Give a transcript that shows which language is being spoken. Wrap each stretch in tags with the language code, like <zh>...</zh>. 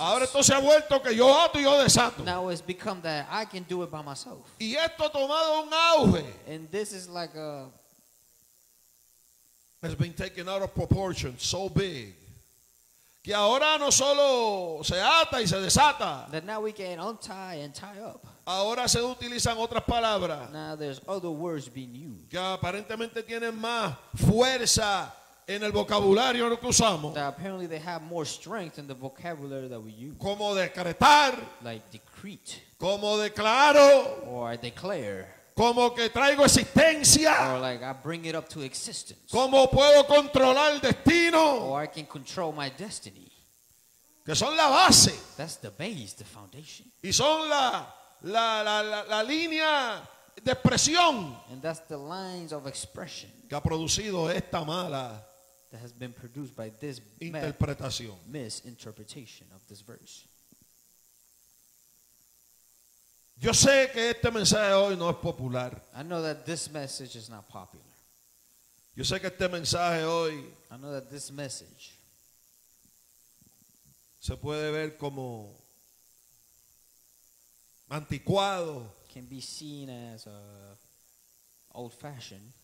<es>Ahora esto se ha vuelto que yo ato y yo desato.</es> <en>Now it's become that I can do it by myself.</en> <es>Y esto ha tomado un auge.</es> <en>And this is like a. Has been taken out of proportion so big.</en> <es>Que ahora no solo se ata y se desata.</es> <en>That now we can untie and tie up.</en> <es>Ahora se utilizan otras palabras.</es> <en>Now there's other words being used.</en> <es>Que aparentemente tienen más fuerza en el vocabulario que usamos.</es> <en>That apparently they have more strength in the vocabulary that we use.</en> <es>Como decretar.</es> <en>Like decrete.</en> <es>Como declaro.</es> <en>Or declare.</en> <es>Como que traigo existencia.</es> <en>Or like I bring it up to existence.</en> <es>Como puedo controlar el destino.</es> <en>Or I can control my destiny.</en> <es>Que son la base.</es> <en>That's the base, the foundation.</en> <es>Y son la línea de expresión.</es> <en>And that's the lines of expression.</en> <es>Que ha producido esta mala.</es> <en>That has been produced by this</en> <es>interpretación.</es> <en>Misinterpretation of this verse.</en> <es>Yo sé que este mensaje hoy no es popular.</es> <en>I know that this message is not popular.</en> <es>Yo sé que este mensaje hoy.</es> <en>I know that this message.</en> <es>Se puede ver como anticuado.</es> <en>Can be seen as old fashioned.</en>